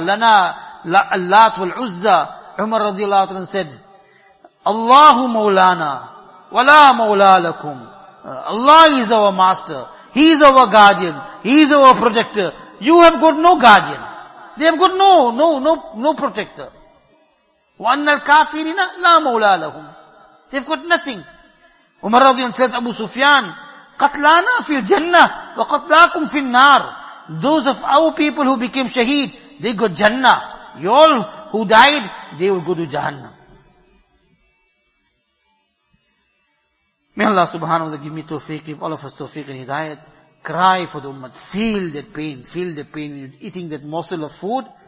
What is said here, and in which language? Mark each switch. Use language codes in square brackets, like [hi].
[en] Lana, Lat wal Uzza. Umar radiallahu ta'ala an said, [ar] Allahu Mawlana. Wala Mawla lakum. [en] Allah is our master. He is our guardian. He is our protector. You have got no guardian. They have got no protector. [ar] وَأَنَّ الْكَافِرِينَ لَا مَوْلَى لَهُمْ. [en] They've got nothing. [ar] Umar رضي الله عنه [en] tells [ar] Abu Sufyan, قَتْلَانَا فِي الْجَنَّةِ وَقَتْلَاكُمْ فِي النَّارِ. [en] Those of our people who became shaheed, they got Jannah. Y'all who died, they will go to Jahannam. May Allah subhanahu wa ta'ala give me tawfiq, give all of us tawfiq and hidayat. Cry for the ummah. Feel the pain in eating that morsel of food.